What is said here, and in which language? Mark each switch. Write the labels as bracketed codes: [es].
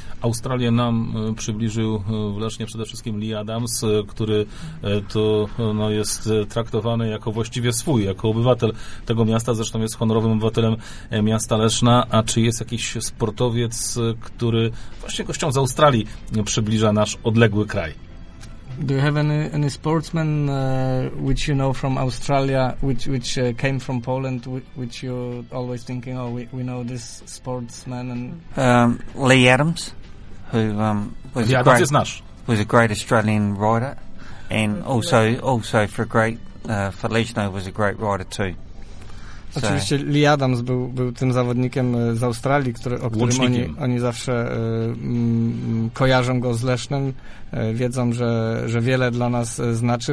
[pl] Australię nam przybliżył w Lesznie przede wszystkim Lee Adams, który tu no, jest traktowany jako właściwie swój, jako obywatel tego miasta, zresztą jest honorowym obywatelem miasta Leszna. A czy jest jakiś sportowiec, który właśnie gościom z Australii przybliża nasz odległy kraj? [en] Do you have any sportsmen which you know from Australia, which came from Poland, which you're always thinking, oh, we know this sportsman? And Lee Adams, who was Adams great. [pl] Jest nasz. [en] was a great Australian rider, and also for a great for Legno was a great rider too. [pl] Oczywiście Lee Adams był tym zawodnikiem z Australii, o którym oni zawsze kojarzą go z Lesznem, wiedzą, że wiele dla nas znaczy.